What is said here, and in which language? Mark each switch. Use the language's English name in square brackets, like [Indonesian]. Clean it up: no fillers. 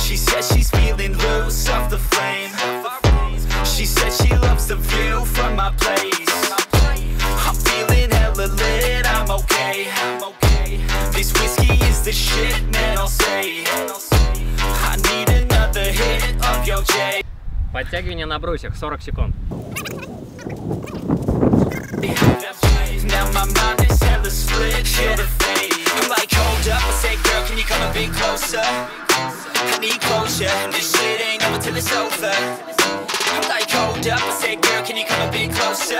[English] She said she's feeling loose off the flame. She said she loves the view from my place. I'm feeling hella lit, I'm okay. This whiskey is the shit, man, I'll say. I need another hit of your J. [Russian] Подтягивание на брусьях, 40 секунд. [English] Now my mind is hella split, feel the fade. I'm like, hold up, I say, girl, can you come a bit closer? I need closure, this shit ain't over till it's over. I'm like, hold up, I say, girl, can you come a bit closer?